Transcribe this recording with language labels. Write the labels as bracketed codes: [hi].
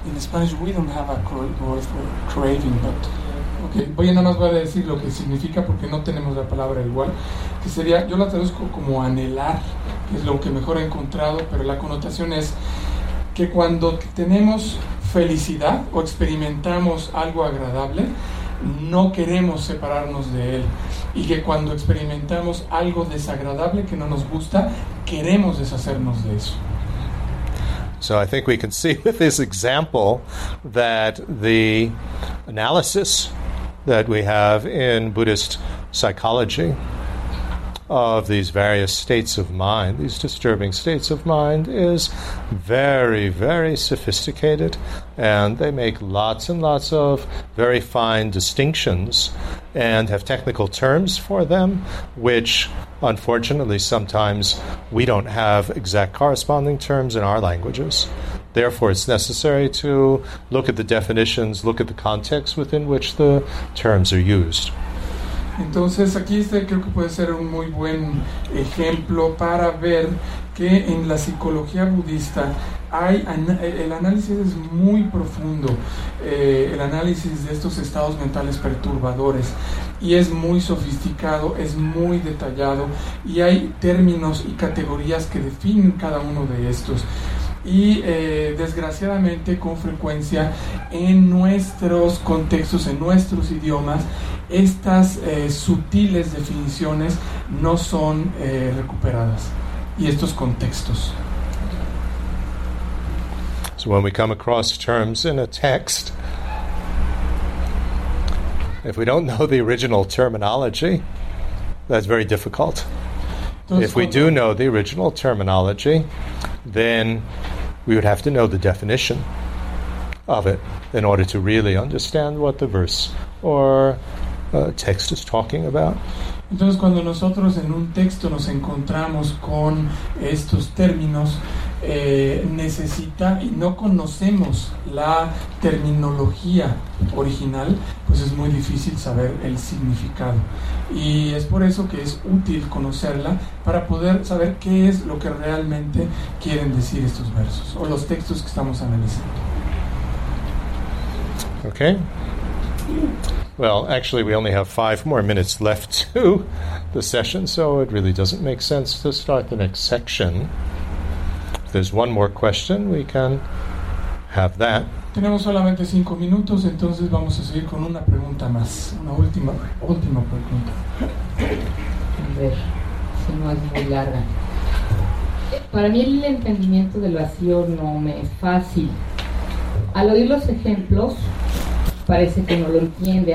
[en] In Spanish, we don't have a word for craving, but... [es] Okay, voy a nada más voy a decir lo que significa porque no tenemos la palabra igual, que sería, yo la traduzco como anhelar, que es lo que mejor he encontrado, pero la connotación es que cuando tenemos felicidad o experimentamos algo agradable, no queremos separarnos de él, y que cuando experimentamos algo desagradable que no nos gusta, queremos deshacernos de eso. [en] So I think we can see with this example that the analysis that we have in Buddhist psychology of these various states of mind, these disturbing states of mind, is very, very sophisticated. and they make lots and lots of very fine distinctions and have technical terms for them, which unfortunately sometimes we don't have exact corresponding terms in our languages. Therefore, it's necessary to look at the definitions, look at the context within which the terms are used. [es] Entonces, aquí este creo que puede ser un muy buen ejemplo para ver que en la psicología budista hay el análisis es muy profundo, el análisis de estos estados mentales perturbadores, y es muy sofisticado, es muy detallado, y hay términos y categorías que definen cada uno de estos. Y desgraciadamente con frecuencia en nuestros contextos, en nuestros idiomas, estas sutiles definiciones no son recuperadas, y estos contextos. [en] So when we come across terms in a text, if we don't know the original terminology, that's very difficult. [es] Entonces, [en] if we do know the original terminology, then we would have to know the definition of it in order to really understand what the verse or text is talking about. [es] Entonces, cuando nosotros en un texto nos encontramos con estos términos, necesita y no conocemos la terminología original, pues es muy difícil saber el significado. Y es por eso que es útil conocerla para poder saber qué es lo que realmente quieren decir estos versos o los textos que estamos analizando. [en] Okay. Well, actually, we only have 5 more minutes left to the session, so it really doesn't make sense to start the next section. If there's one more question, we can have that. [es] Tenemos solamente 5 minutos, entonces vamos a seguir con una pregunta más. Una última pregunta. A ver, si no es muy larga. Para mí el entendimiento del vacío no me es fácil. Al oír los ejemplos, parece que no lo entiende.